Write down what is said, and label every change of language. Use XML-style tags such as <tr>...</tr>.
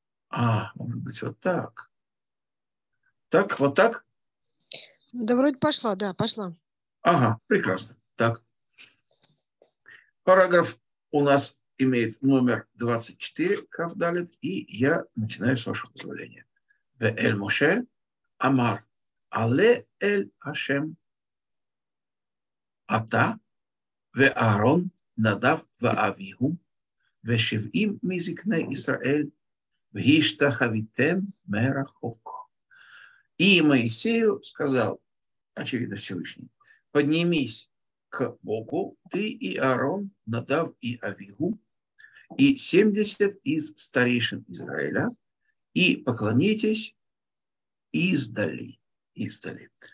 <ru>А, может быть, вот так. Так, вот так? Да вроде пошла, да, пошла. Ага, прекрасно. Так. Параграф у нас имеет номер 24, Кавдалет, и я начинаю с вашего позволения.</ru> <he>ואל משה אמר, עלה אל השם, אתה ואהרון נדב ואביהו, ושבעים מזקני ישראל, והשתחוויתם מרחוק.</he> <ru>И Моисею сказал, очевидно Всевышний, поднимись к Богу, ты и Аарон, Надав и Авиху, и 70 из старейшин Израиля, и поклонитесь издали, издали.</ru>